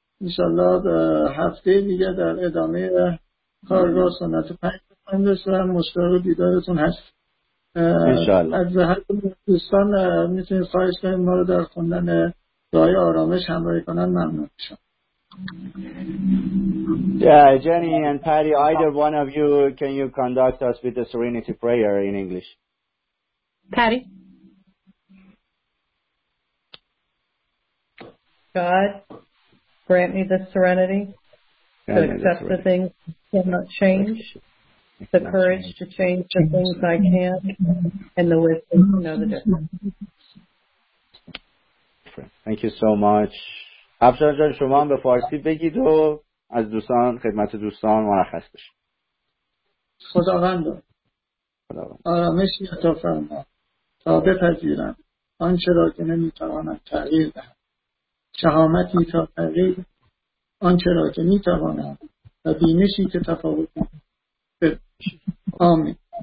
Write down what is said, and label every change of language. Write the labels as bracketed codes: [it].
[fa] انشالله هفته دیگه در ادامه کار را سنت پنج بخواهیم و مشتاق دیدارتون هست. از زحمت دوستان میتونید خواهش کنید ما رو در خوندن دعای آرامش همراهی کنن. ممنون میشم. [en] Yeah, Jenny and Patty, either one of you, can you conduct us with the Serenity Prayer in English? Patty. God, grant me the serenity to accept the things I cannot change, the courage to change the things I can, and the wisdom to know the difference. Thank you so much. [fa] افشان جان شما هم به فارسی بگید و از دوستان خدمت دوستان مرخص بشید. خداوند آرامش عطا فرما تا بپذیرم آنچه را که نمیتوانم تغییر دهم، شهامتی تا تغییر آنچه را که میتوانم و بینشی که تفاوت بپذیرم. آمین.